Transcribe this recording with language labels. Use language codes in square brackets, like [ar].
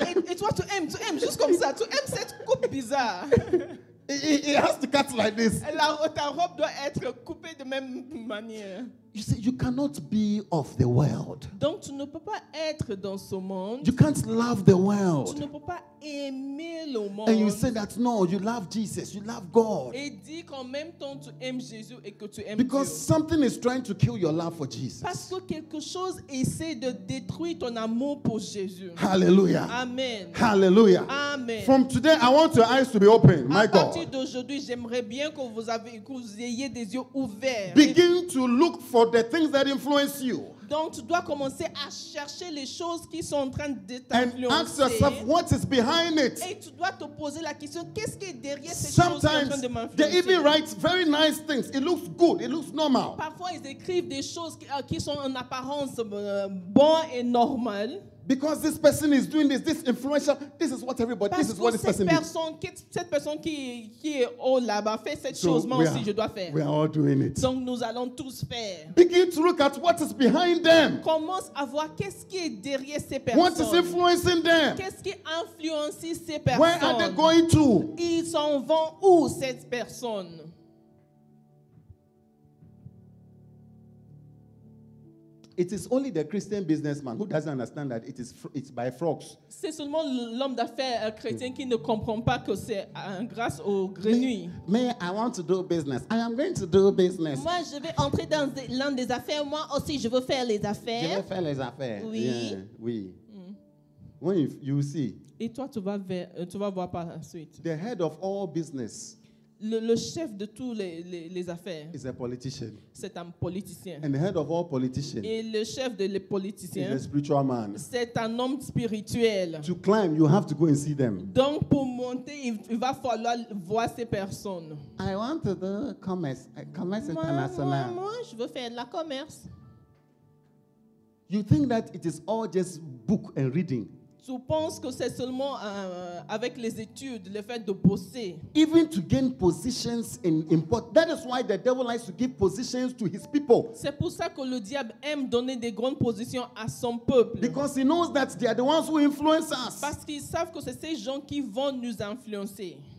[fr] Et toi, tu aimes, juste comme ça. Tu aimes cette coupe bizarre. [en] It has to cut like this. [fr] Ta robe doit être coupée de même manière. [en] You see, you cannot be of the world. [fr] Donc, tu ne peux pas être dans ce monde. [en] You can't love the world. [fr] Tu ne peux pas aimer le monde. [en] And you say that no, you love Jesus, you love God. [fr] Et dis qu'en même temps tu aimes Jésus et que tu aimes [en] Because [fr] Dieu. [en] Something is trying to kill your love for Jesus. [fr] Parce que quelque chose essaie de détruire ton amour pour Jésus. [en] Hallelujah. Amen. Hallelujah. Amen. From today, I want your eyes to be open, my God. [fr] À partir d'aujourd'hui, j'aimerais bien que vous avez, que vous ayez des yeux ouverts. [en] Begin to look for the things that influence you. [fr] Donc tu dois commencer à chercher les choses qui sont en train de t'influencer. [en] And ask yourself what is behind it. [fr] Et tu dois te poser la question, qu'est-ce qui est derrière ces choses qui sont en train de m'influencer? [en] They even write very nice things. It looks good. It looks normal. [fr] Parfois ils écrivent des choses qui sont en apparence bonnes et normales. [en] Because this person is doing this, this influential, this is what everybody, [fr] Parce [en] this is what this [fr] cette [en] person is doing. [fr] Cette personne qui est haut là-bas fait cette so chose, moi aussi je dois faire. [en] We are all doing it. [fr] Donc nous allons tous faire. [en] Begin to look at what is behind them. [fr] Commence à voir qu'est-ce qui est derrière ces personnes. [en] What is influencing them? [fr] Qu'est-ce qui influence ces personnes? [en] Where are they going to? [fr] Ils s'en vont où, cette personne? [en] It is only the Christian businessman who doesn't understand that it's by frogs. [fr] C'est seulement l'homme d'affaires chrétien qui ne comprend pas que c'est grâce aux grenouilles. [en] Mais I want to do business. I am going to do business. [fr] Moi, je vais entrer dans l'un des affaires. Moi aussi, je veux faire les affaires. Je vais faire les affaires. Oui. [en] Yeah, oui. Mm. When you see. [fr] Et toi, tu vas voir par la suite. [en] The head of all business. [fr] Le chef de tous les affaires. [en] Is a politician. [fr] C'est un politicien. [en] And the head of all politicians. [fr] Et le chef de les politiciens. [en] Is a spiritual man. [fr] C'est un homme spirituel. [en] To climb, you have to go and see them. [fr] Donc pour monter, il va falloir voir ces personnes. [en] I want to do commerce international. [fr] Moi, je veux faire la commerce. [en] You think that it is all just book and reading? [fr] Tu penses que c'est seulement avec les études, le fait de bosser. [en] Even to gain positions in important. That is why the devil likes to give positions to his people. [fr] C'est pour ça que le diable aime donner des grandes positions à son peuple. [en] Because he knows that they are the ones who influence us. [fr] Parce qu'ils savent que c'est ces gens qui vont nous influencer.